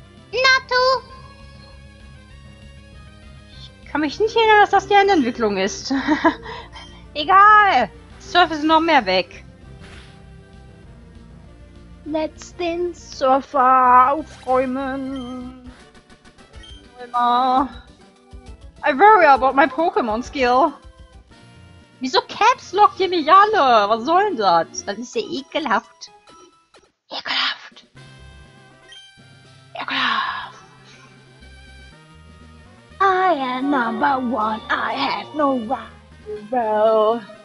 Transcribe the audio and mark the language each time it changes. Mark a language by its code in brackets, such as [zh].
[de] Natu! Ich kann mich nicht erinnern, dass das die Endentwicklung ist. Egal! Surf ist noch mehr weg. [en] Let's [de] den Surfer aufräumen. [en] I worry about my Pokémon skill. [de] Wieso Caps lockt ihr mich alle? Was soll denn das? Das ist ja ekelhaft. Ekelhaft. [en] I am number one. I have no rival.